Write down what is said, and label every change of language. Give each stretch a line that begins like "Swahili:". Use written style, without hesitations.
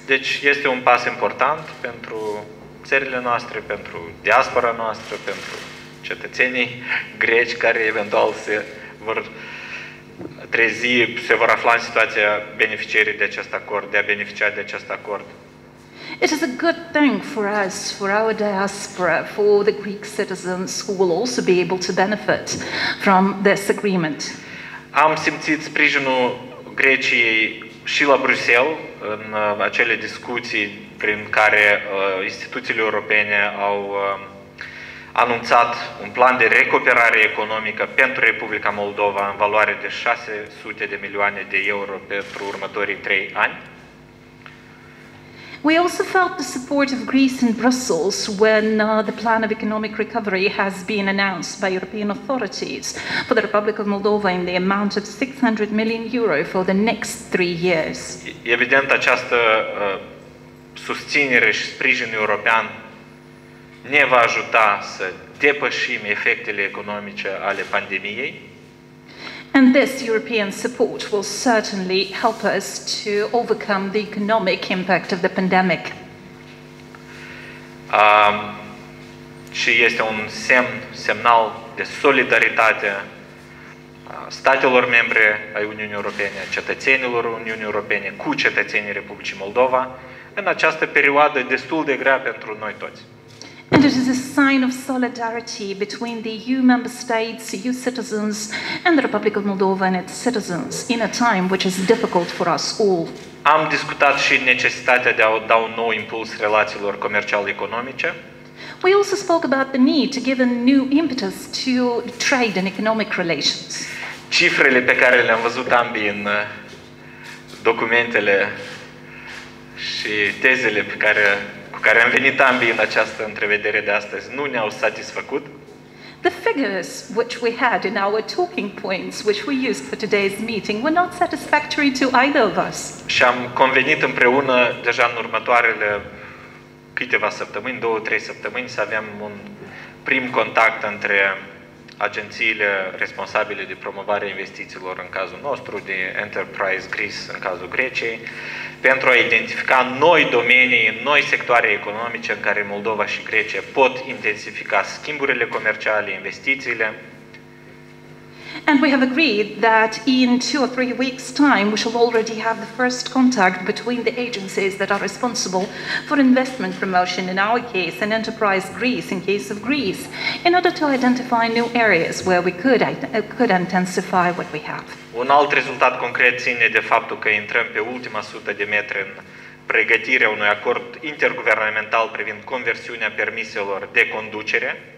Romanian: Deci este un pas important pentru țările noastre, pentru diaspora noastră, pentru cetățenii greci care eventual se vor trezi, se vor afla în situația beneficiarii de acest acord, de a beneficia de acest acord.
English: It is a good thing for us, for our diaspora, for the Greek citizens who will also be able to benefit from this agreement.
Romanian: Am simțit sprijinul Greciei și la Bruxelles în acele discuții prin care instituțiile europene au anunțat un plan de recuperare economică pentru Republica Moldova în valoare de 600 de milioane de euro pentru următorii 3 ani.
English: We also felt the support of Greece in Brussels when the plan of economic recovery has been announced by European authorities for the Republic of Moldova in the amount of 600 million euro for the next 3 years.
Romanian: Evident, această susținere și sprijin european ne va ajuta să depășim efectele economice ale pandemiei.
English: And this European support will certainly help us to overcome the economic impact of the pandemic.
Romanian: Și este un semnal de solidaritate statelor membre ai Uniunii Europene, cetățenilor Uniunii Europene cu cetățenii Republicii Moldova în această perioadă destul de grea pentru noi toți.
English: And it is a sign of solidarity between the EU member states, EU citizens, and the Republic of Moldova and its citizens in a time which is difficult for us all.
Romanian: Am discutat și necesitatea de a da un nou impuls relațiilor comercial-economice.
English: We also spoke about the need to give a new impetus to trade and economic relations.
Romanian: Cifrele pe care le-am văzut ambii în documentele și tezele pe care care am venit ambii în această întrevedere de astăzi, nu ne-au satisfăcut.
English: The figures which we had in our talking points, which we used for today's meeting, were not satisfactory to either of us.
Romanian: Și am convenit împreună deja în următoarele câteva săptămâni, 2-3 săptămâni, să avem un prim contact între agențiile responsabile de promovare a investițiilor în cazul nostru, de Enterprise Greece în cazul Greciei, pentru a identifica noi domenii, noi sectoare economice în care Moldova și Grecia pot intensifica schimburile comerciale, investițiile.
English: And we have agreed that in 2 or 3 weeks' time we shall already have the first contact between the agencies that are responsible for investment promotion in our case and Enterprise Greece in case of Greece in order to identify new areas where we could intensify what we have.
Romanian: Un alt rezultat concret ține de faptul că intrăm pe ultima sută de metri în pregătirea unui acord interguvernamental privind conversiunea permiselor de conducere.